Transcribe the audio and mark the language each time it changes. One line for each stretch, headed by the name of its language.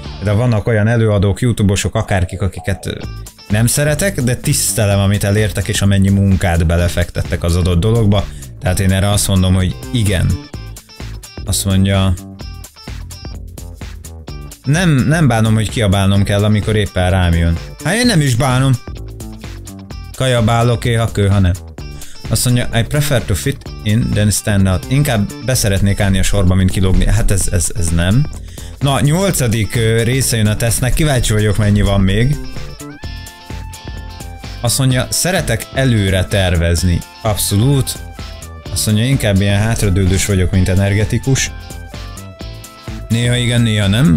Hungarian: De vannak olyan előadók, YouTube-osok, akárkik, akiket nem szeretek, de tisztelem, amit elértek, és amennyi munkát belefektettek az adott dologba. Tehát én erre azt mondom, hogy igen. Azt mondja... Nem bánom, hogy kiabálnom kell, amikor éppen rám jön. Hát én nem is bánom. Kajabálok, éha kő, ha nem. Azt mondja,
English: I prefer to fit in than stand out.
Hungarian: Inkább beszeretnék állni a sorba, mint kilógni. Hát ez nem. Na, 8. része jön a tesznek. Kíváncsi vagyok, mennyi van még. Azt mondja, szeretek előre tervezni. Abszolút. Azt mondja, inkább ilyen hátradődős vagyok, mint energetikus. Néha igen, néha nem.